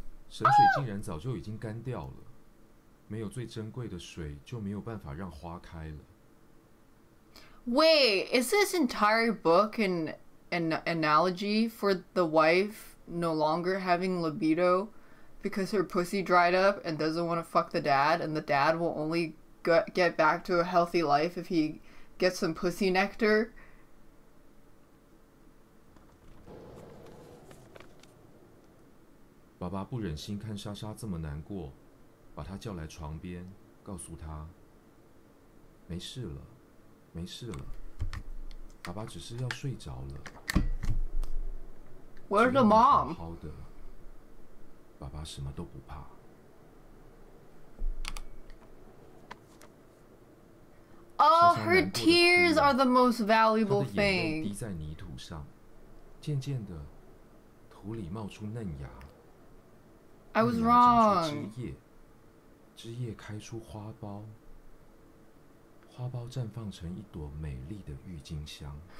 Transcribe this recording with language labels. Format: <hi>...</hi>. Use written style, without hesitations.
<zh>神水竟然早就已经干掉了。没有最珍贵的水，就没有办法让花开了。</zh> <en>Wait, is this entire book an analogy for the wife no longer having libido because her pussy dried up and doesn't want to fuck the dad, and the dad will only get back to a healthy life if he gets some pussy nectar?</en> <zh>爸爸不忍心看莎莎这么难过，把她叫来床边，告诉她，没事了，没事了，爸爸只是要睡着了。</zh> <en>Where's the mom?</en> <zh>好好的，爸爸什么都不怕。</zh> <en>Oh, her tears are the most valuable thing.</en> <zh>滴在泥土上，渐渐的，土里冒出嫩芽。</zh> <en>I was wrong.</en> <zh>枝叶开出花苞，花苞绽放成一朵美丽的郁金香。</zh>